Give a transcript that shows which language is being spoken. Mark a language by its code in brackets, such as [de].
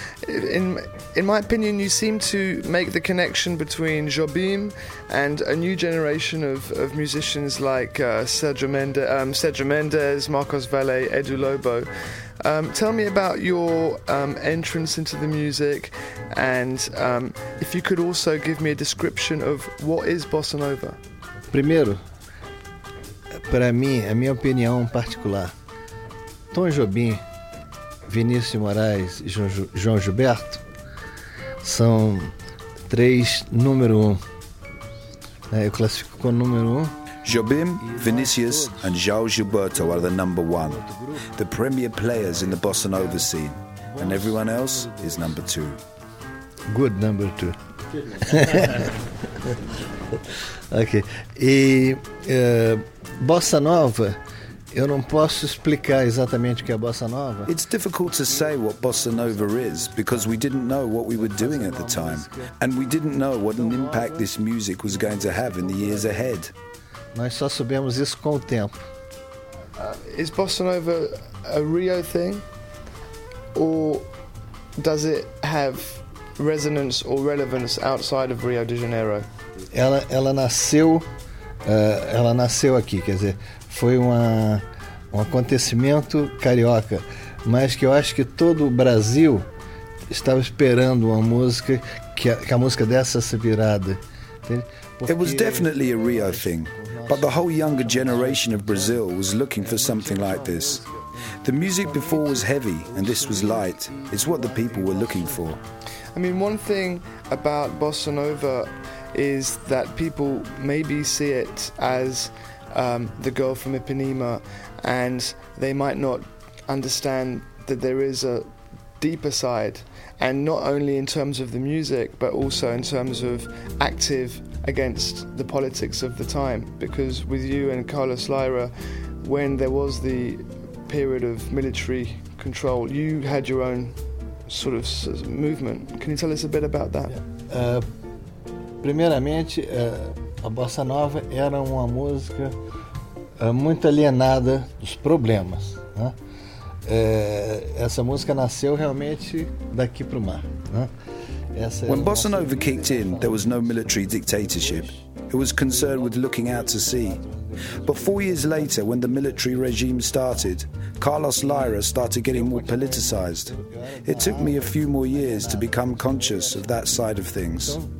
[en] In my opinion, you seem to make the connection between Jobim and a new generation of musicians like Sergio Mendes, Marcos Valle, Edu Lobo. Tell me about your entrance into the music, and if you could also give me a description of what is Bossa Nova. [pt] Primeiro, para mim, a minha opinião particular, Tom Jobim, Vinícius de Moraes e João Gilberto são três número um. Eu classifico com número um. [en] Jobim, Vinícius and João Gilberto are the number one, the premier players in the bossa nova scene, and everyone else is number two. Good number two. Ok. [pt] E bossa nova, eu não posso explicar exatamente o que é bossa nova. [en] It's difficult to say what bossa nova is because we didn't know what we were doing at the time, and we didn't know what an impact this music was going to have in the years ahead. [pt] Nós só soubemos isso com o tempo. [en] Is bossa nova a Rio thing, or does it have resonance or relevance outside of Rio de Janeiro? [pt] Ela nasceu aqui, quer dizer, foi um acontecimento carioca, mas que eu acho que todo o Brasil estava esperando uma música, que a música dessa se virada. [en] It was definitely a Rio thing, but the whole younger generation of Brazil was looking for something like this. The music before was heavy, and this was light. It's what the people were looking for. I mean, one thing about Bossa Nova is that people maybe see it as the girl from Ipanema, and they might not understand that there is a deeper side, and not only in terms of the music, but also in terms of active against the politics of the time. Because with you and Carlos Lyra, when there was the period of military control, you had your own sort of movement. Can you tell us a bit about that? [pt] Primeiramente, a Bossa Nova era uma música muito alienada dos problemas. Né? Essa música nasceu realmente daqui para o mar. Né? [en] When Bossa Nova kicked in, there was no military dictatorship. It was concerned with looking out to sea. But 4 years later, when the military regime started, Carlos Lyra started getting more politicized. It took me a few more years to become conscious of that side of things.